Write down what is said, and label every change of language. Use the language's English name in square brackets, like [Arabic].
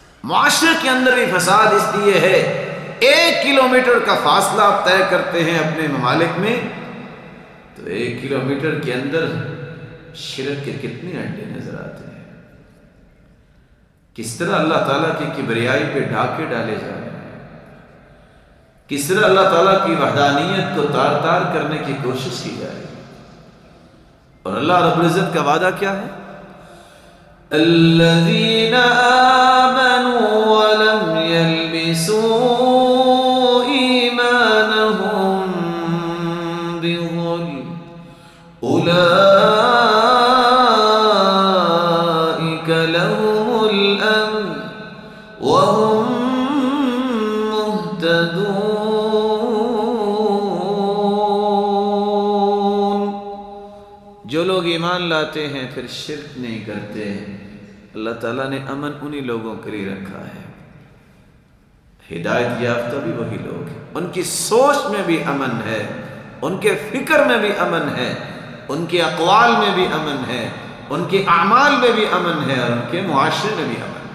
[Urdu] معاشرے کے اندر بھی فساد اس لیے ہے, 1 کلومیٹر کا فاصلہ آپ طے کرتے ہیں اپنے ممالک میں تو 1 کلومیٹر کے اندر شرک کے کتنے انڈے نظر آتے ہیں, کس طرح اللہ تعالیٰ کی کبریائی پہ ڈاکے ڈالے جا رہے ہیں, کس طرح اللہ تعالیٰ کی وحدانیت کو تار تار کرنے کی کوشش کی جا رہی ہے. اور اللہ رب العزت کا وعدہ کیا ہے؟ [Arabic] الذين آمنوا ولم يلبسوا إيمانهم بظلم أولئك لهم الأمن وهم مهتدون. [Urdu] جو لوگ ایمان لاتے ہیں پھر شرک نہیں کرتے ہیں, اللہ تعالیٰ نے امن انہی لوگوں کے لیے رکھا ہے, ہدایت یافتہ بھی وہی لوگ ہیں, ان کی سوچ میں بھی امن ہے, ان کے فکر میں بھی امن ہے, ان کے اقوال میں بھی امن ہے, ان کے اعمال میں بھی امن ہے, اور ان کے معاشرے میں بھی امن ہے.